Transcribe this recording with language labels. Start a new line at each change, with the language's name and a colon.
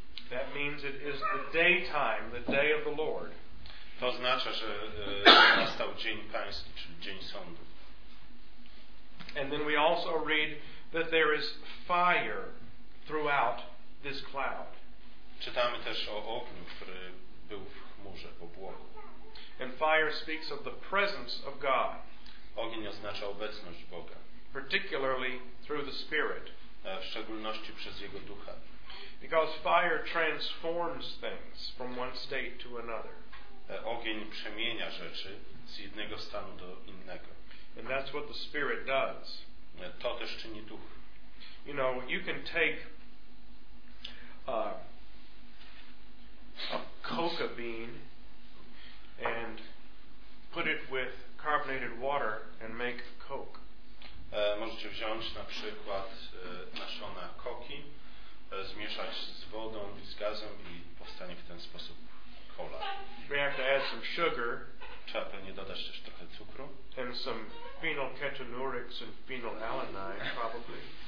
English: That means it is the daytime, the day of the Lord.
Polish: To oznacza, że nastał dzień Pański, czyli dzień sądu.
English: And then we also read that there is fire throughout this cloud.
Polish: Czytamy też o ogniu, który był w chmurze, w obłoku.
English: And fire speaks of the presence of God.
Polish: Ogień oznacza obecność Boga.
English: Particularly through the Spirit.
Polish: W szczególności przez Jego Ducha.
English: Because fire transforms things from one state to another.
Polish: Ogień przemienia rzeczy z jednego stanu do innego.
English: And that's what the Spirit does.
Polish: To też czyni Duch.
English: You know, you can take a coca bean and put it with carbonated water and make Coke.
Polish: Możecie wziąć na przykład nasiona koki, zmieszać z wodą i z gazem i powstanie w ten sposób cola.
English: We have to add some sugar.
Polish: Trzeba pewnie dodać też trochę cukru.
English: And some phenylketonurics and phenylalanine probably.